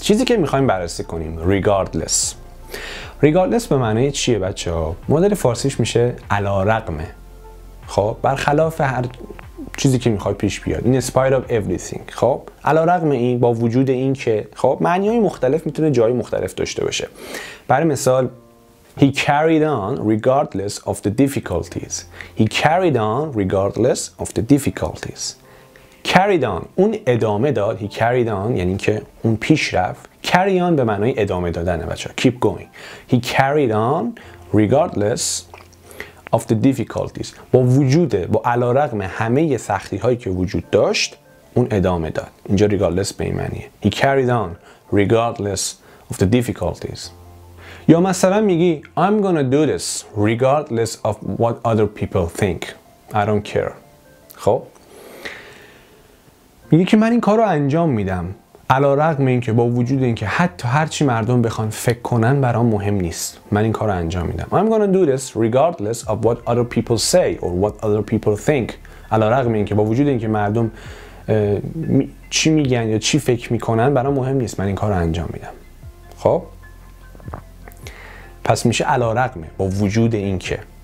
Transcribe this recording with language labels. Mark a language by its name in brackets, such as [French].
[Persian] چیزی که میخوایم بررسی کنیم regardless. Regardless به معنی چیه بچه ها؟ مدل فارسیش میشه علارغمه. خب برخلاف هر چیزی که میخوای پیش بیاد. [English] In spite of everything. [Persian] خب علارغم این، با وجود این که، خب معنی های مختلف میتونه جای مختلف داشته باشه. برای مثال [English] He carried on regardless of the difficulties. He carried on regardless of the difficulties. Carried on. [Persian] اون ادامه داد. [English] He carried on. [Persian] یعنی که اون پیش رفت. [English] Carry on [Persian] به معنای ادامه دادنه بچه. [English] Keep going. He carried on regardless of the difficulties. [Persian] با وجود، با علارغم همه سختی هایی که وجود داشت، اون ادامه داد. اینجا [English] regardless [Persian] به این معنیه. [English] He carried on regardless of the difficulties. [Persian] یا مثلا میگی [English] I'm gonna do this regardless of what other people think. I don't care. [Persian] خب میگی که من این کارو انجام میدم علارغم این که با وجود این که حتی هرچی مردم بخوان فکر کنن برام مهم نیست. من این کارو انجام میدم. [English] I'm gonna do this regardless of what other people say or what other people think. [Persian] علارغم این که با وجود این که مردم چی میگن یا چی فکر میکنن برام مهم نیست. من این کارو انجام میدم. خب پس میشه علارغمه با وجود این که.